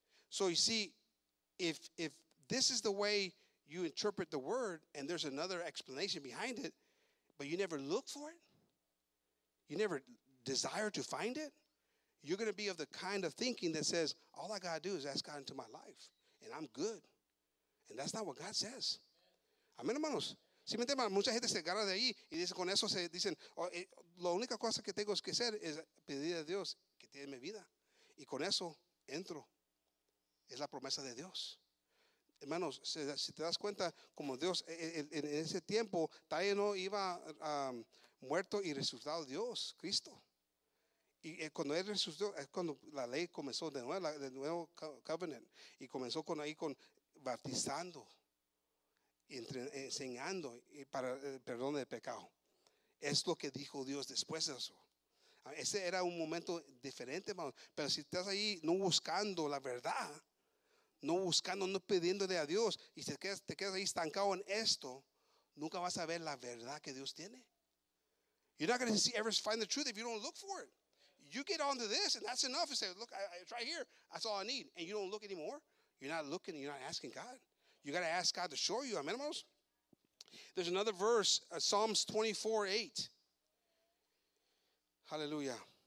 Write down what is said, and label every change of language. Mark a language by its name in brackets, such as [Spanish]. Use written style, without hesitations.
[English] So you see, if this is the way you interpret the word, and there's another explanation behind it, but you never look for it, you never desire to find it, you're going to be of the kind of thinking that says, all I got to do is ask God into my life, and I'm good. And that's not what God says. Amén, hermanos. [Spanish] Si me entienden, mucha gente se agarra de ahí y dice, con eso se dicen, la única cosa que tengo que hacer es pedir a Dios que te dé mi vida. Y con eso entro. Es la promesa de Dios. Hermanos, si te das cuenta, como Dios en ese tiempo, todavía no iba muerto y resucitado Dios, Cristo. Y cuando él resucitó, es cuando la ley comenzó de nuevo covenant. Y comenzó con bautizando, enseñando para el perdón del pecado. Es lo que dijo Dios después de eso. Ese era un momento diferente, hermano. Pero si estás ahí no buscando la verdad, no buscando, no pidiéndole a Dios, y te quedas ahí estancado en esto, nunca vas a ver la verdad que Dios tiene. [English] You're not going to ever find the truth if you don't look for it. You get onto this and that's enough. You say, look, it's right here. That's all I need. And you don't look anymore. You're not looking, you're not asking God. You got to ask God to show you. Amen, hermanos? There's another verse, Psalms 24:8. Hallelujah.